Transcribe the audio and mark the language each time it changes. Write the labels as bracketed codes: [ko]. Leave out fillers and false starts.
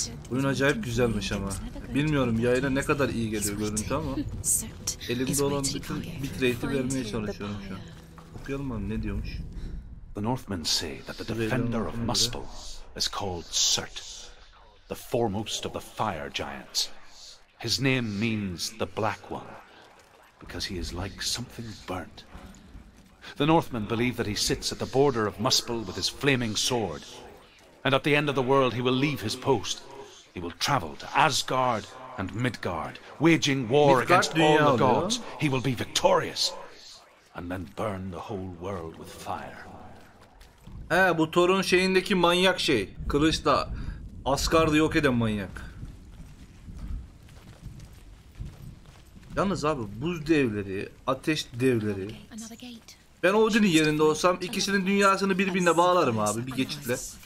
[tr] Oyun acayip güzelmiş ama. Bilmiyorum yayına ne kadar iyi geliyor görüntü ama. Elimde olan bütün bitrate'i vermeye çalışıyorum şu an. Okuyalım abi ne diyormuş? [en] The Northmen say that the defender of Muspel is called Surt, the foremost of the fire giants. His name means the Black One, because he is like something burnt. The Northmen believe that he sits at the border of Muspel with his flaming sword, and at the end of the world he will leave his post. He will travel to Asgard and Midgard, waging war against all the gods. He will be victorious, and then burn the whole world with fire. [tr] He bu Thor'un şeyindeki manyak şey. Kılıçla Asgard'ı yok eden manyak. Yalnız abi buz devleri, ateş devleri. Ben Odin'in yerinde olsam ikisinin dünyasını birbirine bağlarım abi bir geçitle.